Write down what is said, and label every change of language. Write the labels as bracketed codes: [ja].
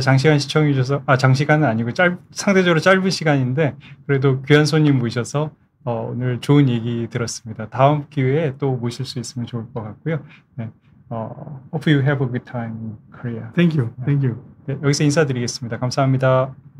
[ko] 장시간 시청해 주셔서 장시간은 아니고 상대적으로 짧은 시간인데 그래도 귀한 손님 모셔서 오늘 좋은 얘기 들었습니다. 다음 기회에 또 모실 수 있으면 좋을 것 같고요. 네. [en] Hope you have a good time in Korea. Thank you. [ko] 네, 여기서 인사드리겠습니다. 감사합니다.